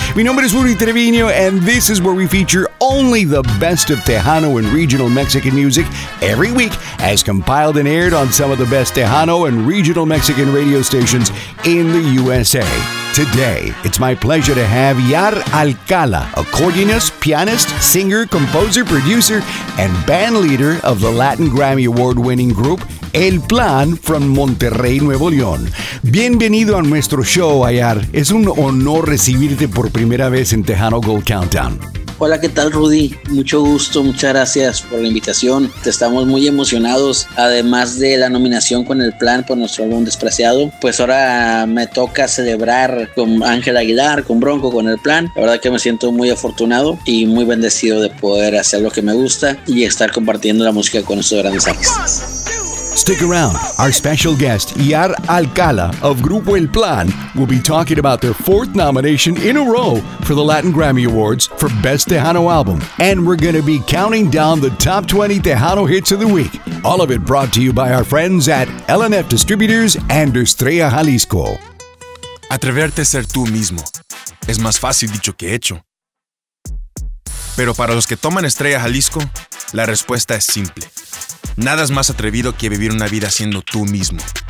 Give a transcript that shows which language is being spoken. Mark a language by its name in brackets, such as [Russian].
[Spanish] Mi nombre es [English] Rudy Treviño, and this is where we feature only the best of Tejano and regional Mexican music every week, as compiled and aired on some of the best Tejano and regional Mexican radio stations in the USA. Today, it's my pleasure to have Yar Alcala, accordionist, pianist, singer, composer, producer, and band leader of the Latin Grammy Award-winning group El Plan from Monterrey, Nuevo León. [Spanish] Bienvenido a nuestro show, Yar. Es un honor recibirte por primera vez en Tejano Gold Countdown. Hola, ¿qué tal, Rudy? Mucho gusto, muchas gracias por la invitación. Estamos muy emocionados, además de la nominación con El Plan por nuestro álbum Despreciado. Pues ahora me toca celebrar con Ángel Aguilar, con Bronco, con El Plan. La verdad que me siento muy afortunado y muy bendecido de poder hacer lo que me gusta y estar compartiendo la música con estos grandes artistas. [English] Stick around. Our special guest, Yar Alcala of Grupo El Plan, will be talking about their fourth nomination in a row for the Latin Grammy Awards for Best Tejano Album. And we're going to be counting down the top 20 Tejano hits of the week. All of it brought to you by our friends at LNF Distributors and Estrella Jalisco. [Spanish] Atreverte a ser tú mismo es más fácil dicho que hecho. Pero para los que toman Estrella Jalisco, la respuesta es simple. Nada es más atrevido que vivir una vida siendo tú mismo.